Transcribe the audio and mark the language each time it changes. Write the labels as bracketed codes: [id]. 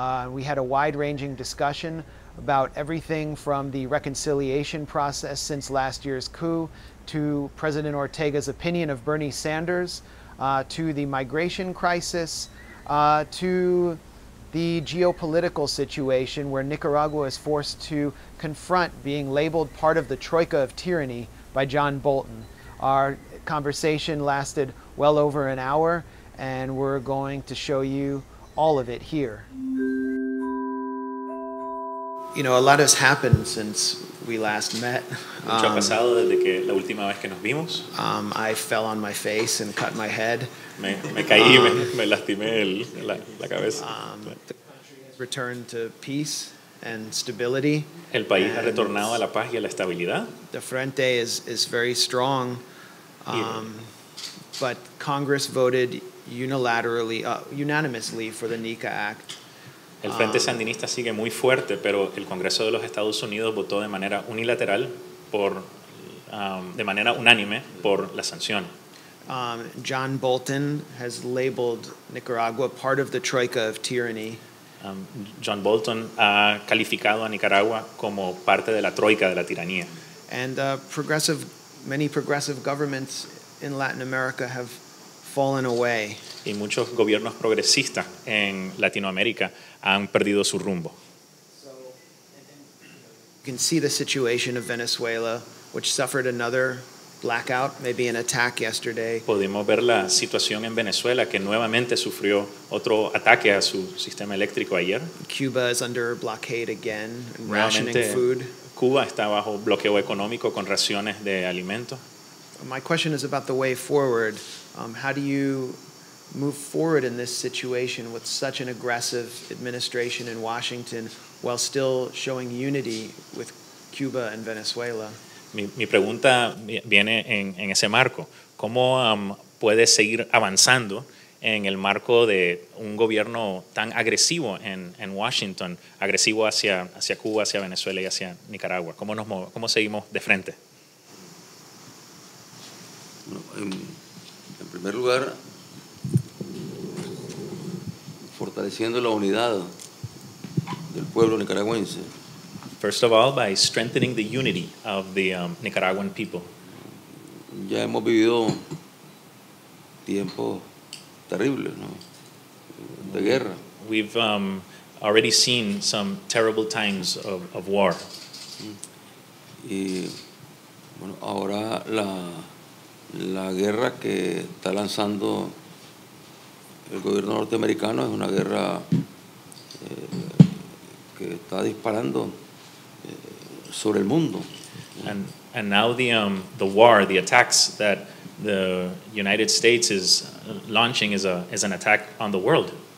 [en] We had a wide-ranging discussion about everything from the reconciliation process since last year's coup to President Ortega's opinion of Bernie Sanders, to the migration crisis, to the geopolitical situation where Nicaragua is forced to confront being labeled part of the Troika of Tyranny by John Bolton. Our conversation lasted well over an hour, and we're going to show you all of it here. You know, a lot has happened since we last met. [es] Mucho ha pasado desde que la última vez que nos vimos. [en] I fell on my face and cut my head. [es] Me caí, me lastimé la cabeza. [en] The country has returned to peace and stability. [es] El país ha retornado a la paz y a la estabilidad. [en] The Frente is very strong. But Congress voted unanimously for the NECA Act. [es] El Frente Sandinista sigue muy fuerte, pero el Congreso de los Estados Unidos votó de manera unilateral por la sanción. [en] John Bolton has labeled Nicaragua part of the Troika of Tyranny. [es] John Bolton ha calificado a Nicaragua como parte de la Troika de la Tiranía. [en] And many progressive governments in Latin America have fallen away. [es] Y muchos gobiernos progresistas en Latinoamérica han perdido su rumbo. [en] You can see the situation of Venezuela, which suffered another blackout, maybe an attack yesterday. [es] Podemos ver la situación en Venezuela, que nuevamente sufrió otro ataque a su sistema eléctrico ayer. [en] Cuba is under blockade again, rationing food. [es] Cuba está bajo bloqueo económico con raciones de alimentos. [en] My question is about the way forward. How do you move forward in this situation with such an aggressive administration in Washington while still showing unity with Cuba and Venezuela? [es] Mi pregunta viene en ese marco. ¿Cómo puede seguir avanzando en el marco de un gobierno tan agresivo en Washington, agresivo hacia Cuba, hacia Venezuela y hacia Nicaragua? ¿Cómo seguimos de frente? En primer lugar, fortaleciendo la unidad del pueblo nicaragüense. [en] First of all, by strengthening the unity of the Nicaraguan people. [es] Ya hemos vivido tiempos terribles, ¿no? De guerra. [en] We've already seen some terrible times of war. [es] Y bueno, ahora la guerra que está lanzando el gobierno norteamericano es una guerra que está disparando sobre el mundo. [en] And now the war, the attacks that the United States is launching is an attack on the world.